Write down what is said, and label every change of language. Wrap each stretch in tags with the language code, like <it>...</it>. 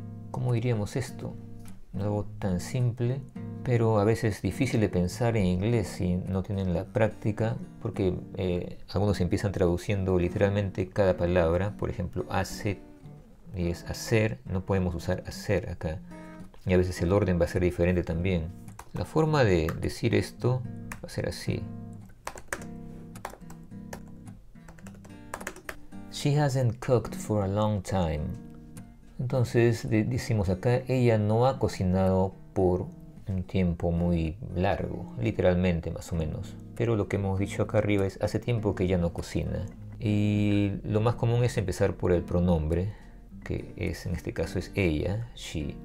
<es>¿Cómo diríamos esto? Algo tan simple, pero a veces difícil de pensar en inglés si no tienen la práctica, porque algunos empiezan traduciendo literalmente cada palabra, por ejemplo, hace. Y es hacer, no podemos usar hacer acá. Y a veces el orden va a ser diferente también. La forma de decir esto va a ser así.</es> <en>She hasn't cooked for a long time.</en> <es>Entonces decimos acá, ella no ha cocinado por un tiempo muy largo, literalmente más o menos. Pero lo que hemos dicho acá arriba es, hace tiempo que ella no cocina. Y lo más común es empezar por el pronombre, que es en este caso es ella, she.</es>